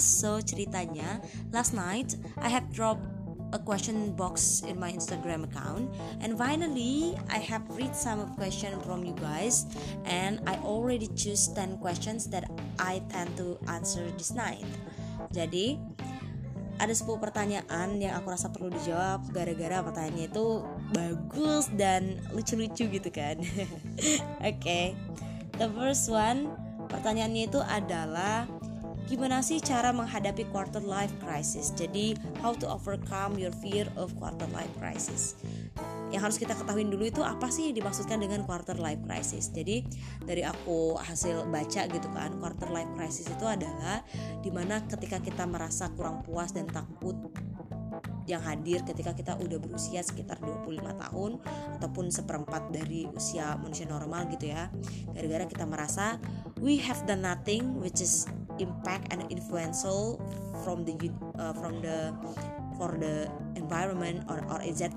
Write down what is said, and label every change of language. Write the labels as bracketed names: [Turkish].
[English] So ceritanya, last night I have dropped a question box in my Instagram account, and finally I have read some question from you guys, and I already choose 10 questions that I tend to answer this night. [Indonesian] Jadi ada 10 pertanyaan yang aku rasa perlu dijawab gara-gara pertanyaannya itu bagus dan lucu-lucu gitu kan. Okay, [English] the first one, [Indonesian] pertanyaannya itu adalah gimana sih cara menghadapi quarter life crisis. [English] Jadi how to overcome your fear of quarter life crisis. [Indonesian] Yang harus kita ketahui dulu itu apa sih yang dimaksudkan dengan quarter life crisis. Jadi dari aku hasil baca gitu kan, quarter life crisis itu adalah dimana ketika kita merasa kurang puas dan takut yang hadir ketika kita udah berusia sekitar 25 tahun ataupun seperempat dari usia manusia normal gitu ya. Gara-gara kita merasa [English] we have done nothing which is impact and influential for the environment or etc.